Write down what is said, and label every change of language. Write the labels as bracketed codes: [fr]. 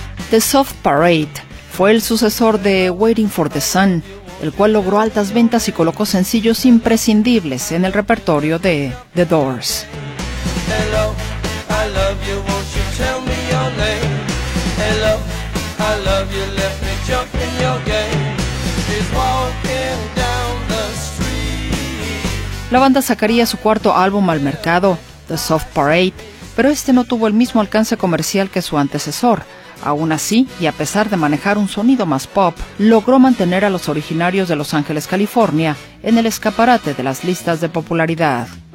[es] The Soft Parade fue el sucesor de Waiting for the Sun, el cual logró altas ventas y colocó sencillos imprescindibles en el repertorio de The Doors. [en] Hello, I love you, won't you tell me your name? Hello, I love you, let me jump in your game. It's walking down the street. [es] La banda sacaría su cuarto álbum al mercado, The Soft Parade, pero este no tuvo el mismo alcance comercial que su antecesor. Aún así, y a pesar de manejar un sonido más pop, logró mantener a los originarios de Los Ángeles, California, en el escaparate de las listas de popularidad.